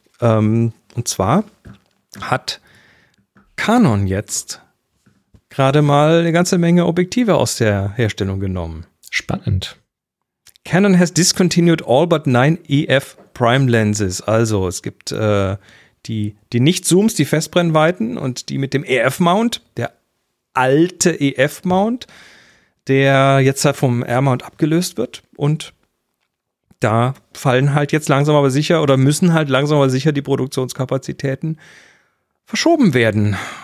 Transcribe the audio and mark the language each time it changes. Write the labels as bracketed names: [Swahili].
[German] Und zwar hat Canon jetzt gerade mal eine ganze Menge Objektive aus der Herstellung genommen. Spannend. [English] Canon has discontinued all but 9 EF Prime Lenses. [German] Also es gibt die Nicht-Zooms, die Festbrennweiten und die mit dem EF-Mount, der alte EF-Mount, der jetzt halt vom R-Mount abgelöst wird. Und da fallen halt jetzt langsam aber sicher oder müssen halt langsam aber sicher die Produktionskapazitäten verschoben werden.